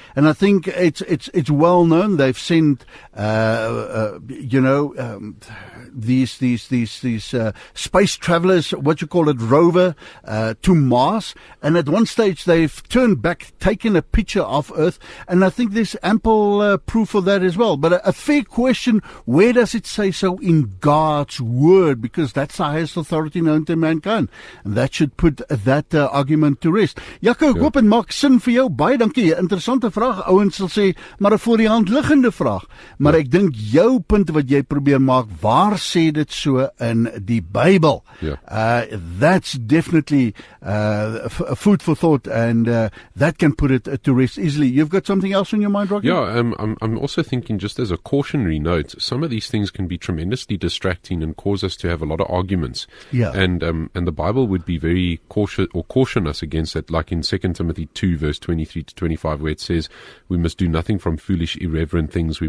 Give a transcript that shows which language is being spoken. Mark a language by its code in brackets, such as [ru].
[en] And I think it's well known, they've sent these space travelers, what you call it, rover to Mars, and at one stage they've turned back, taken a picture of Earth, and I think there's ample proof of that as well. But a fair question, where does it say so in God's word? Because that's the highest authority known to mankind, and that should put that argument to rest. [af] Jaco, ek hoop en maak sin vir jou, baie dankie, interessante vraag, ouens sal sê, maar 'n voor die hand liggende vraag, maar ek dink jou punt wat jy probeer maak, waar sê dit so in die Bybel? [en] That's definitely food for thought, and that can put it to rest easily. You've got something else on your mind, Rocky? Yeah, I'm also thinking, just as a cautionary note, some of these things can be tremendously distracting and cause us to have a lot of arguments. Yeah. And the Bible would be very cautious, or caution us against that, like in 2 Timothy 2, verse 23 to 25, where it says, we must do nothing from foolish, irreverent things.